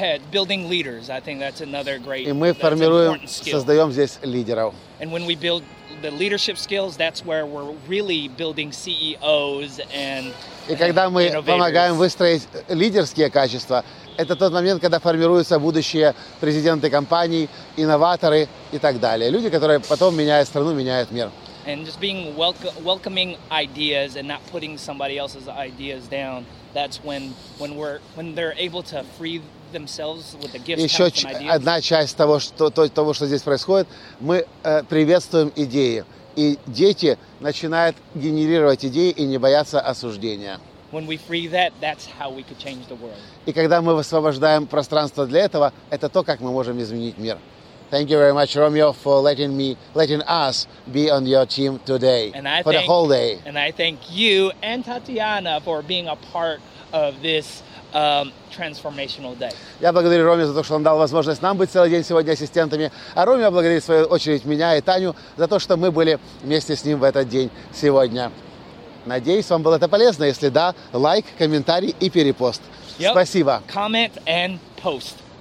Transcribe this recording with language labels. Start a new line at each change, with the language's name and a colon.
English: Building leaders, I think that's another great.
Russian: И мы формируем, создаем здесь лидеров.
English: And when we build the leadership skills, that's where we're really building CEOs and
Russian: И когда мы помогаем выстроить лидерские качества, это тот момент, когда формируются будущие президенты компаний, инноваторы и так далее. Люди, которые потом меняют страну, меняют мир.
English: And just being welcoming ideas and not putting somebody else's ideas down, that's when they're able to free themselves with the gifts and ideas.
Russian: Еще одна часть того, что здесь происходит, мы приветствуем идеи. И дети начинают генерировать идеи и не боятся осуждения.
English: When we free that, that's how we could change the world.
Russian: И когда мы освобождаем пространство для этого, это то, как мы можем изменить мир.
English: Thank you very much, Romeo, for letting us be on your team today, for the whole day. And I thank you and Tatiana for being a part of this transformational day.
Russian: Я благодарю Ромео за то, что он дал возможность нам быть целый день сегодня ассистентами, а Ромео благодарит в свою очередь меня и Таню за то, что мы были вместе с ним в этот день сегодня. Надеюсь, вам было это полезно. Если да, лайк, комментарий и перепост.
English: Yep.
Russian: Спасибо.
English: Comment and post.